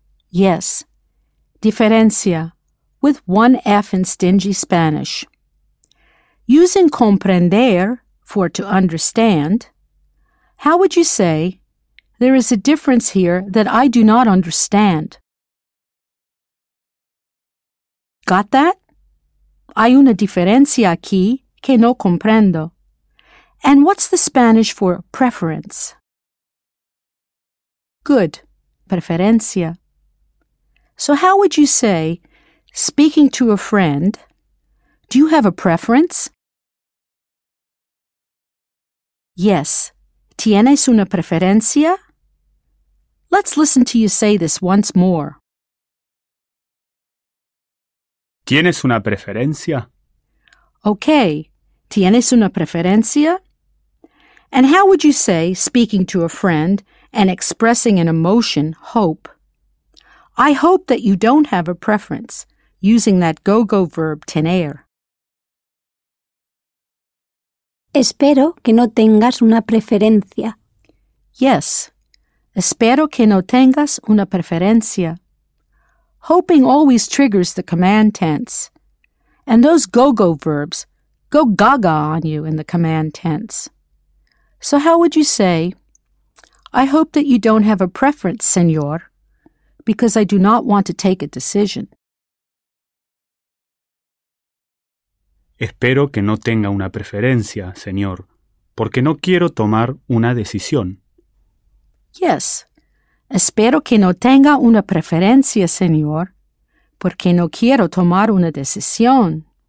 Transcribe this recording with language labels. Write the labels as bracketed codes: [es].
[en] Yes, diferencia, with one F in stingy Spanish. Using comprender, for to understand, how would you say, there is a difference here that I do not understand? Got that? [es] Hay una diferencia aquí que no comprendo. [en] And what's the Spanish for preference? Good. Preferencia. So how would you say, speaking to a friend, do you have a preference? Yes. [es] ¿Tienes una preferencia? [en] Let's listen to you say this once more. [es] ¿Tienes una preferencia? [en] Okay. [es] ¿Tienes una preferencia? [en] And how would you say, speaking to a friend and expressing an emotion, hope? I hope that you don't have a preference, using that go-go verb tener. [es] Espero que no tengas una preferencia. [en] Yes. [es] Espero que no tengas una preferencia. [en] Hoping always triggers the command tense. And those go-go verbs go gaga on you in the command tense. So how would you say, I hope that you don't have a preference, señor, because I do not want to take a decision. [es] Espero que no tenga una preferencia, señor, porque no quiero tomar una decisión. [en] Yes. [es] Espero que no tenga una preferencia, señor, porque no quiero tomar una decisión.